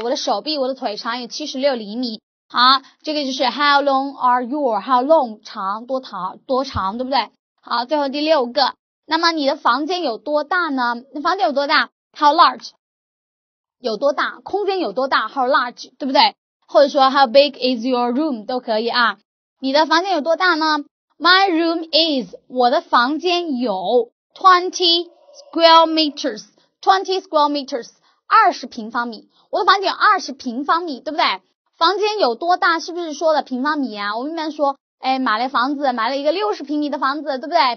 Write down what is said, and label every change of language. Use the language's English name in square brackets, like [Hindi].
[Chinese] 我的手臂我的腿长有76厘米。好，这个就是 [English] how long are your， how long [Chinese] 长多长多长，对不对？好，最后第六个，那么你的房间有多大呢？你房间有多大？ [English] How large， [Chinese] 有多大，空间有多大， [English] how large， [Chinese] 对不对？或者说 [English] how big is your room [Chinese] 都可以啊。你的房间有多大呢？ [English] My room is， [Chinese] 我的房间有20 [English] square meters， [Chinese] 20平方米，我的房间有20平方米，对不对？房间有多大是不是说的平方米啊？我们一般说，哎，买了房子，买了一个60平米的房子，对不对？